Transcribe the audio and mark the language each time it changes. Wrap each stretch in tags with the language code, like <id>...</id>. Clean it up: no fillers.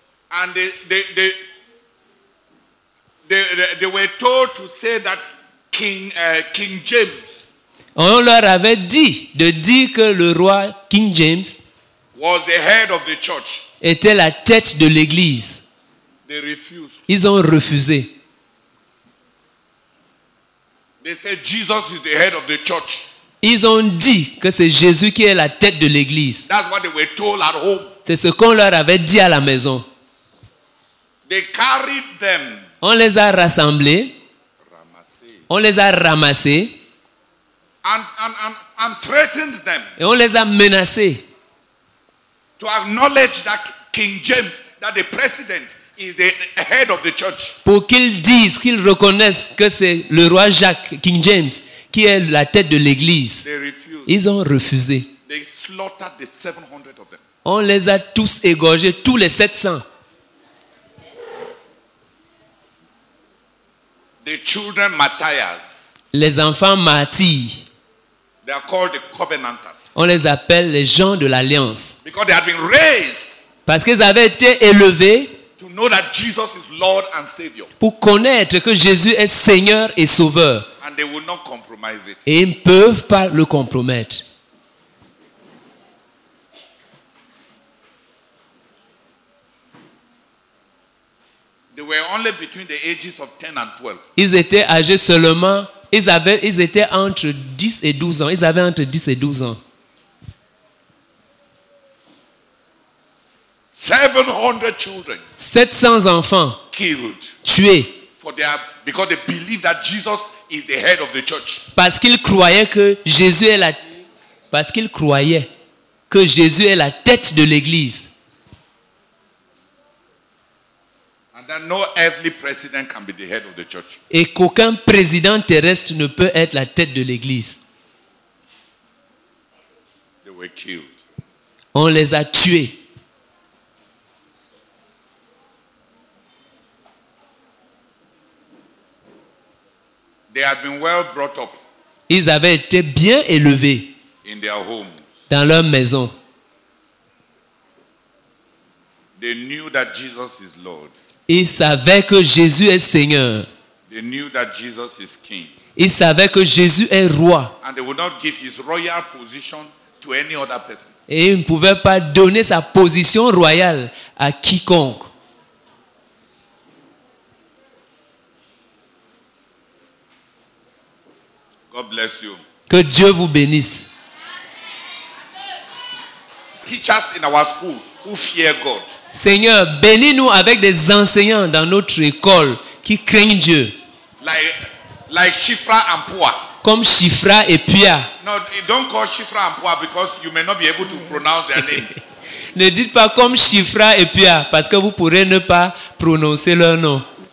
<en>And they were told to say that King James.</en> <fr>On leur avait dit de dire que le roi King James</fr> <en>was the head of the church.</en> <fr>Était la tête de l'église.</fr> <en>They refused.</en> <fr>Ils ont refusé.</fr> <en>They said Jesus is the head of the church.</en> <fr>Ils ont dit que c'est Jésus qui est la tête de l'église.</fr> <en>That's what they were told at home.</en> <fr>C'est ce qu'on leur avait dit à la maison.</fr> <en>They carried them.</en> <fr>On les a rassemblés. Ramassés. On les a ramassés.</fr> <en>And threatened them.</en> <fr>Et on les a menacés.</fr> <en>To acknowledge that King James, that the president is the head of the church.</en> <fr>Pour qu'ils disent, qu'ils reconnaissent que c'est le roi Jacques, King James, qui est la tête de l'église. Ils ont refusé.</fr> <en>They slaughtered the 700 of them.</en> <fr>On les a tous égorgés, tous les 700.</fr> <en>The children martyrs.</en> <fr>Les enfants martyrs.</fr> <en>They are called the covenanters.</en> <fr>On les appelle les gens de l'Alliance.</fr> <en>Because they had been raised.</en> <fr>Parce qu'ils avaient été élevés.</fr> <en>To know that Jesus is Lord and Savior.</en> <fr>Pour connaître que Jésus est Seigneur et Sauveur.</fr> <en>And they will not compromise it.</en> <fr>Et ils ne peuvent pas le compromettre.</fr> <en>They were only between the ages of 10 and 12.</en> <fr>Ils étaient âgés seulement, ils étaient entre 10 et 12 ans. Ils avaient entre 10 et 12 ans.</fr> <en>700 children.</en> <fr>700 enfants.</fr> <en>Killed.</en> <fr>Tués.</fr> <en>For their, because they believed that Jesus is the head of the church.</en> <fr>Parce qu'ils croyaient que Jésus est la tête de l'église.</fr> <en>And that no earthly president can be the head of the church.</en> <fr>Et qu'aucun président terrestre ne peut être la tête de l'église.</fr> <en>They were killed.</en> <fr>On les a tués.</fr> <en>They had been well brought up.</en> <fr>Ils avaient été bien élevés</fr> <en>in their homes.</en> <fr>Dans leur maison.</fr> <en>They knew that Jesus is Lord.</en> <fr>Ils savaient que Jésus est Seigneur.</fr> <en>They knew that Jesus is King.</en> <fr>Ils savaient que Jésus est roi.</fr> <en>And they would not give his royal position to any other person.</en> <fr>Et ils ne pouvaient pas donner sa position royale à quiconque.</fr> <en>God bless you.</en> <fr>Que Dieu vous bénisse.</fr> <en>Teachers in our school who fear God.</en> <fr>Seigneur, bénis-nous avec des enseignants dans notre école qui craignent Dieu.</fr> <en>Like Shifra and Pua.</en> <fr>Comme Shifra et Pua.</fr> <en>No, don't call Shifra and Pua because you may not be able to pronounce their names.</en> <fr>Ne dites pas comme Shifra et Pua parce que vous pourrez ne pas prononcer leur nom.</fr>